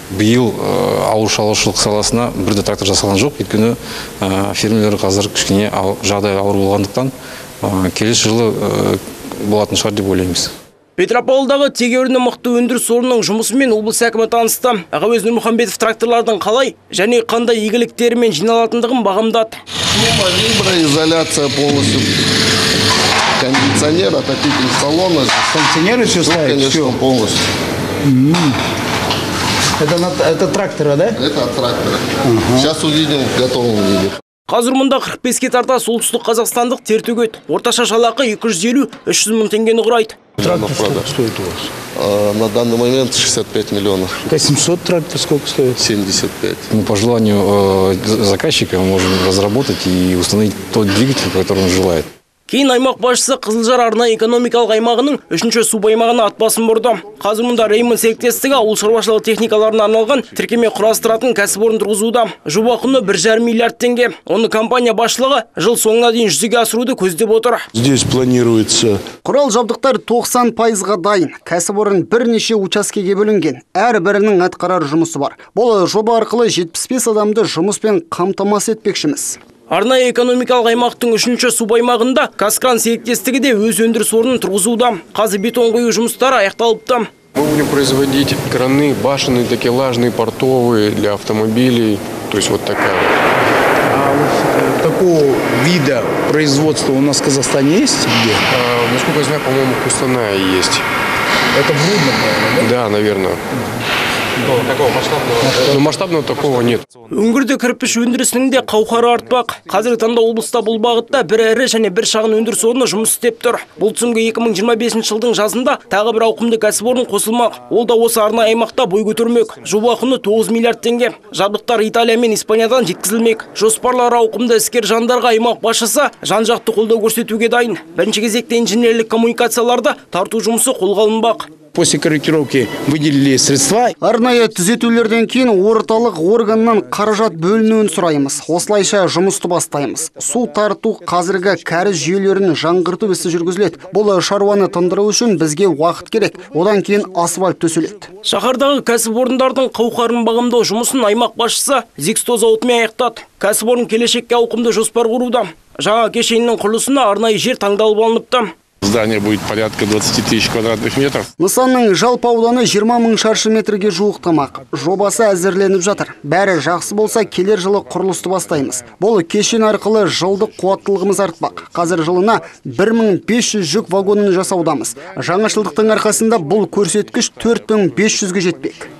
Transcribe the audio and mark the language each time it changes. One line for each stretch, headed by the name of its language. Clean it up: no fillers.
Kazakh: Биыл ауыл шаруашылық саласына бір де трактор жасалған жоқ, өйткені фермерлер қазір кішкене жағдай ауыр болғандықтан келесі жылы болатын шығар деп ойлаймыз. Петропавлдағы тегеуріні мықты өндіріс орнының жұмысымен облыс әкімі танысты. Ағауез Нұрмұхамбетов тракторлардың қалай және қандай игіліктерімен жиналатындығын бағамдады.
Russian: Изоляция полностью. Кондиционер, отопитель салона. Кондиционер еще ставит? Конечно, все. Полностью. Это трактора, да? Это от трактора. Угу. Сейчас увидим, готовым видим.
Kazakh: Қазір мұнда 45-ке тарта солтүстік қазақстандық тер төгеді. Орташа жалақы 250-300 мың теңгені құрайды.
Russian: На данный момент 65 миллионов. 800 трактор сколько стоит? 75. Ну, по желанию заказчика мы можем разработать и установить тот двигатель, который он желает.
Kazakh: Кейін аймақ басшысы Қызылжар арнай экономикалық аймағының 3-ші субаймағына атбасын бұрды. Қазір мұнда Реймон серіктестігі ауыл шаруашылығы техникаларына арналған тіркеме құрастыратын кәсіпорын тұрғызуда. Жоба құны 1,5 миллиард теңге. Оны компания басшылығы жыл соңына дейін жүзеге асыруды көздеп отыр.
Russian: Здесь планируется.
Kazakh: Құрал жабдықтар 90%-ға дайын. Кәсіпорын бірнеше учаскеге бөлінген. Әр бірінің атқарар жұмысы бар. Бұл жоба арқылы 75 адамды жұмыспен қамтамасыз етпекшіміз. Арнайы экономикалық аймақтың 3-ші субаймағында Каскран серіктестігі де өз өндіріс орнын тұрғызуда. Қазір бетон құю жұмыстары аяқталыпты.
Russian: Мы будем производить краны, башенные, такелажные, портовые для автомобилей. То есть вот такая. А вот такого вида производства у нас в Казахстане есть где? Насколько я знаю, по-моему, Кустанай есть. Это Брудно, наверное, да? Да, наверное. Масштабного такого нет.
Kazakh: Өңгірді кірпіш өндірісінің де қауқары артпақ. Қазіргі таңда облыста бұл бағытта бір әрі және бір шағын өндіріс орны жұмыс істеп тұр. Бұл тізімге 2025 жылдың жазында тағы бір ауқымды кәсіпорын қосылмақ. Ол да осы арнайы аймақта бой көтермек. Жоба құны 9 миллиард теңге. Жабдықтар Италия мен Испаниядан жеткізілмек. Жоспарлары ауқымды іскер жандарға аймақ басшысы жан жақты қолдау көрсетуге дайын. Бірінші кезекте инженерлік коммуникацияларды тарту жұмысы қолға алынбақ.
Russian: После корректировки выделили средства.
Kazakh: Арнайы түзетулерден кейін орталық органнан қаражат бөлінуін сұраймыз. Осылайша жұмысты бастаймыз. Су тарту қазіргі кәріз жүйелерін жаңғырту ісі жүргізіледі. Бұл шаруаны тындыру үшін бізге уақыт керек. Одан кейін асфальт төселеді. Шаһардағы кәсіпорындардың қауқарын бағамдау жұмысын аймақ басшысы Зиксто зауытымен аяқтады. Кәсіпорын келешекке ауқымды жоспар құруда. Жаңа кешеннің құрылысына арнайы жер таңдалып алыныпты.
Russian: Здание будет порядка 20 тысяч квадратных метров.
Kazakh: Нысанның жалпы ауданы 20 мың шаршы метрге жуықтамақ. Жобасы әзірленіп жатыр. Бәрі жақсы болса, келер жылы құрылысты бастаймыз. Бұл кешен арқылы жылдық қуаттылығымыз артпақ. Қазір жылына 1500 жүк вагонын жасаудамыз. Жаңашылдықтың арқасында бұл көрсеткіш 4500-ге жетпек.